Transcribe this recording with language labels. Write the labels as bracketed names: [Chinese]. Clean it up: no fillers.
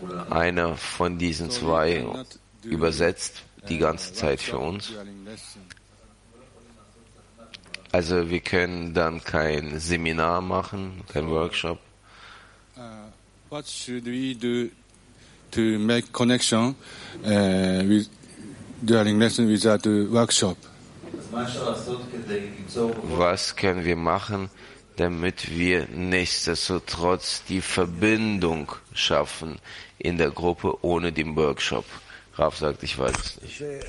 [German] Einer von diesen zwei übersetzt die ganze Zeit für uns. Also wir können dann kein Seminar machen, kein Workshop. [English] What should we do to make connection with during lesson without workshop? [German] Was können wir machen, damit wir nichtsdestotrotz die Verbindung schaffen in der Gruppe ohne den Workshop? Raf sagt, ich weiß es nicht.